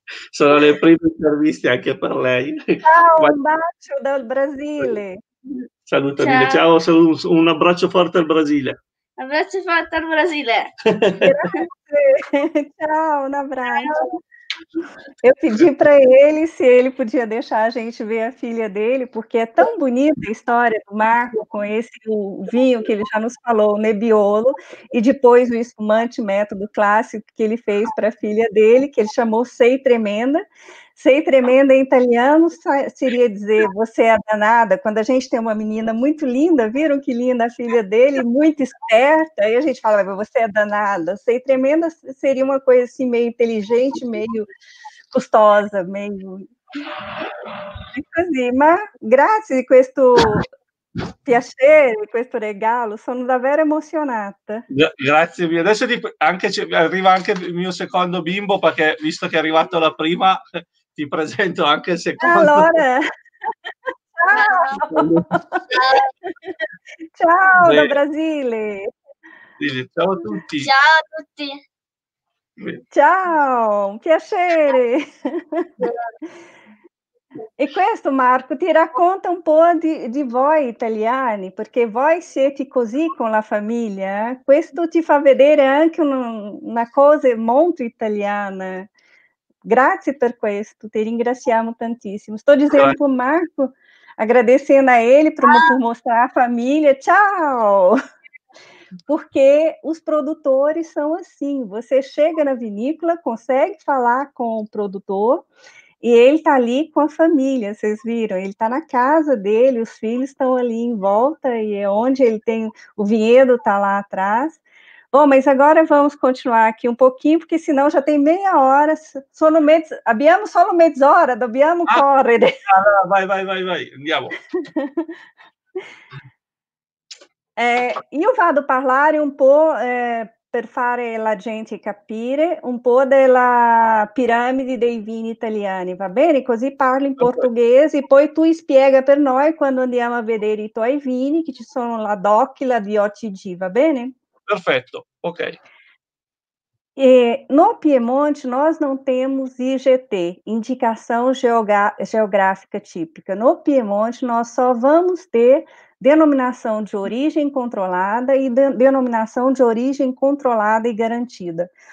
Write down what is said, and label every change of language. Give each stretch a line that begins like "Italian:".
Italian: Sono le prime interviste anche per lei. Ciao, Ma un bacio dal Brasile. saluto mille. Ciao. Ciao, un abbraccio forte al Brasile. Avresti fatto al Brasile. Ciao. Grazie. Ciao, un abbraccio.
Portuguese: Eu pedi para ele se ele podia deixar a gente ver a filha dele, porque é tão bonita a história do Marco com esse vinho que ele já nos falou, o Nebbiolo, e depois o espumante método clássico que ele fez para a filha dele, que ele chamou Sei Tremenda. Sei Tremenda em italiano seria dizer você é danada. Quando a gente tem uma menina muito linda, viram que linda a filha dele, muito esperta, aí a gente fala, você é danada. Sei Tremenda seria uma coisa assim meio inteligente, meio custosa, meio. Assim, mas
Italian: grazie di questo piacere, questo regalo, sono davvero emozionata. Grazie mille. Adesso arriva anche il mio secondo bimbo, perché visto che è arrivato la prima, ti presento anche il secondo. Allora, ciao! Ciao da Brasile! Ciao a tutti. Ciao a tutti! Ciao, un piacere! E questo, Marco, ti racconta un po' di voi italiani, perché voi siete così con la famiglia, questo ti fa vedere anche una cosa molto italiana. Grazie per questo, ti ringraziamo tantissimo. Sto
Portuguese: dizendo per Marco, agradecendo a ele per mostrare a famiglia.
Italian: Ciao!
Portuguese: Porque os produtores são assim: você chega na vinícola, consegue falar com o produtor e ele está ali com a família. Vocês viram? Ele está na casa dele, os filhos estão ali em volta e é onde ele tem o vinhedo, está lá atrás. Bom, mas agora vamos continuar aqui um pouquinho, porque senão já tem meia hora.
Italian: Sono mezzo, abbiamo solo mezz'ora, dobbiamo Ah, correre. vai, vai, vai, vai, andiamo. Io vado a parlare un po' per fare la gente capire un po' della piramide dei vini italiani, va bene? Così parli in portoghese e poi tu spiega per noi quando andiamo a vedere i tuoi vini, che ci sono la DOC e la DOCG, va bene? Perfetto, ok.
Portuguese: E no Piemonte, nós não temos IGT, Indicação Geográfica Típica. No Piemonte, nós só vamos ter denominação de origem controlada e denominação de origem controlada e garantida.